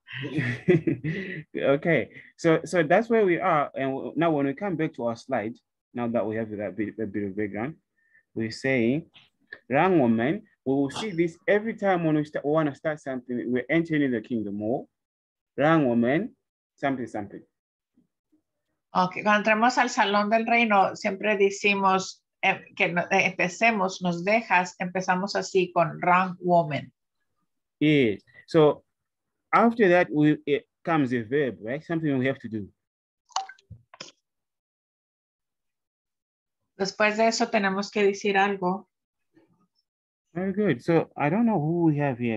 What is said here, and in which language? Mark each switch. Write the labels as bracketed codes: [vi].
[en] Okay, so that's where we are. And now when we come back to our slide, now that we have that bit of background, we're saying, rank woman, we will see this every time when we want to start something, we're entering the kingdom hall. Rank woman, something, something. [es] Okay, cuando entramos al Salón del Reino, siempre decimos que empecemos, nos dejas, empezamos así con rank woman. [en] Yes, so after that it comes a verb, right? Something we have to do. [es] Después de eso tenemos que decir algo. [en] Very good. So I don't know who we have here.